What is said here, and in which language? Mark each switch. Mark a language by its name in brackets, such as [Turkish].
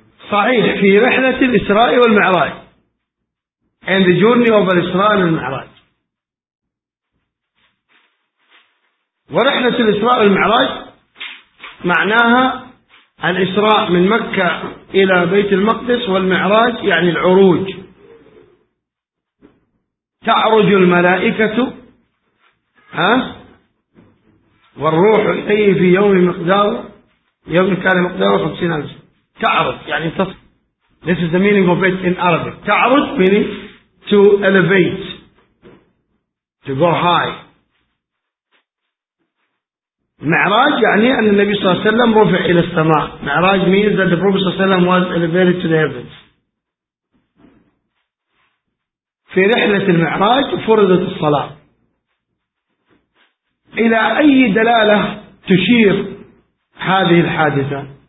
[Arabic] صحيح في رحلة الإسراء والمعراج. [English] And the journey of الإسراء والمعراج. [Arabic] ورحلة الإسراء والمعراج معناها الإسراء من مكة إلى بيت المقدس والمعراج يعني العروج. تعرج الملائكة والروح إليه في يوم مقدار يوم كان مقدار 50,000. تعرج يعني تصل. [English] This is the meaning of it in Arabic. تعرج meaning to elevate, to go high. [Arabic] معراج يعني أن النبي صلى الله عليه وسلم رفع إلى السماء. [English] معراج means that the Prophet صلى الله عليه وسلم was elevated to the heavens. [Arabic] في رحلة المعراج فرضت الصلاة. إلى أي دلالة تشير هذه الحادثة?